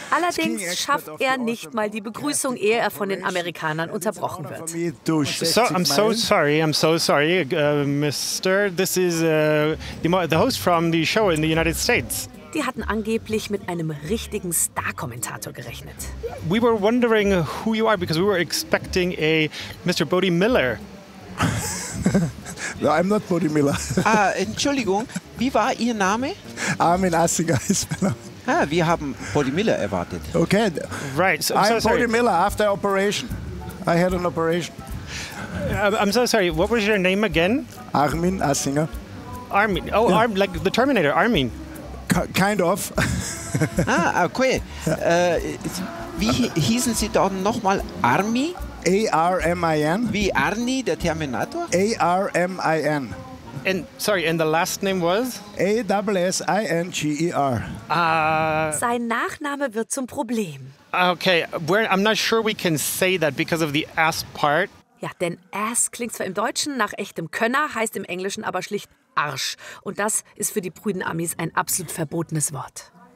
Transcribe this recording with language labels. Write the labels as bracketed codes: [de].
[de] Allerdings schafft er nicht mal die Begrüßung, ehe er von den Amerikanern unterbrochen wird. [en] So, I'm so sorry, Mister. This is the host from the show in the United States. [de] Die hatten angeblich mit einem richtigen Star-Kommentator gerechnet. [en] We were wondering who you are because we were expecting a Mr. Bodie Miller. No, I'm not Bodie Miller. [de] Entschuldigung, wie war Ihr Name? Armin Assiger ist mein Name. Ah, wir haben Bodie Miller erwartet. [en] Okay. Right. So, I'm Bodie Miller after operation. I had an operation. I'm so sorry. What was your name again? Armin Assiger. Armin. Oh, yeah. Like the Terminator, Armin. Kind of. Ah, okay. Yeah. [de] Wie hießen Sie dann nochmal? Armin? A-R-M-I-N. Wie Arnie, der Terminator? A-R-M-I-N. [en] And the last name was? A-S-S-I-N-G-E-R. [de] Sein Nachname wird zum Problem. [en] Okay, I'm not sure we can say that because of the ass part. [de] Ja, denn ass klingt zwar im Deutschen nach echtem Könner, heißt im Englischen aber schlicht Arsch. Und das ist für die prüden Amis ein absolut verbotenes Wort.